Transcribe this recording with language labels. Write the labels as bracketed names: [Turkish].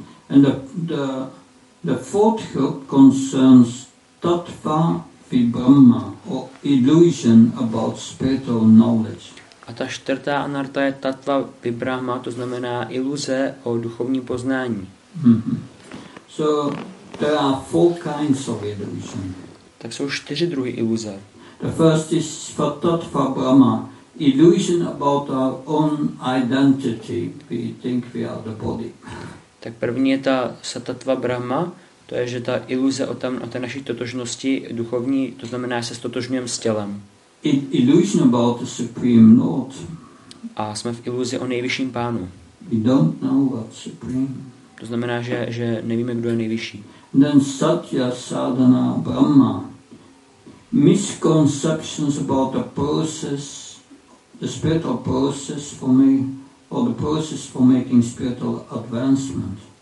[English] And the fourth group concerns tattva vibrahma or illusion about spiritual knowledge. [Czech] A ta čtvrtá anarta je tattva vibrahma, to znamená iluze o duchovním poznání. [English] So there are four kinds of illusion. [Czech] Tak jsou čtyři druhy iluze. [English] The first is tattva brahma, illusion about our own identity. We think we are the body. [Czech] Tak první je ta tattva brahma, to je, že ta iluze o tam, o té naší totožnosti duchovní, to znamená, že se stotožňujeme s tělem. [English] Illusion about the supreme lord. [Czech] A jsme v iluzi o nejvyšším pánu. [English] We don't know what supreme. [Czech] To znamená, že nevíme, kdo je nejvyšší. [English] Then satya, sadhana, brahma. Misconceptions about the process, the spiritual process for me, or the process for making spiritual advancement.